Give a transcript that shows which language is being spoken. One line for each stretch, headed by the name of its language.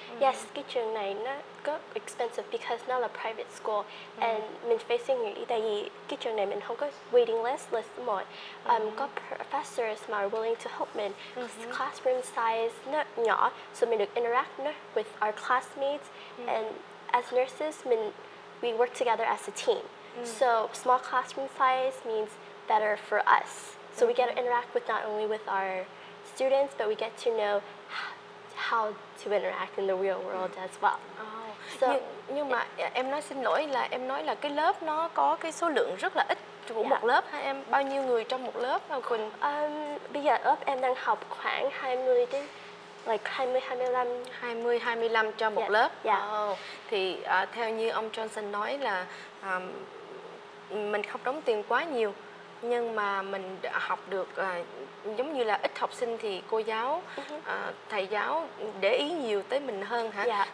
Vietnamese: Yes, cái trường này nó có expensive
English: because
Vietnamese: nó là private school. And mình phải suy nghĩ tại vì cái trường này mình không có waiting list, list một.
English: Có professors mà are willing to help mình. Classroom size
Vietnamese: nó nhỏ,
English: so mình được interact nó with our classmates. And as nurses, we work together as a team. So small classroom size means better for us. So we get to interact with not only with our students, but we get to know how to interact in the real world as well.
Vietnamese: Nhưng mà em nói xin lỗi là em nói là cái lớp nó có cái số lượng rất là ít của một lớp hay em bao nhiêu người trong một lớp nào Quỳnh? Bây giờ lớp em đang học khoảng 20 đến
English: like 20-25.
Vietnamese: 20-25 cho một lớp. Thì theo như ông Johnson nói là mình không đóng tiền quá nhiều, nhưng mà mình học được giống như là ít học sinh thì cô giáo, thầy giáo để ý nhiều tới mình hơn hả?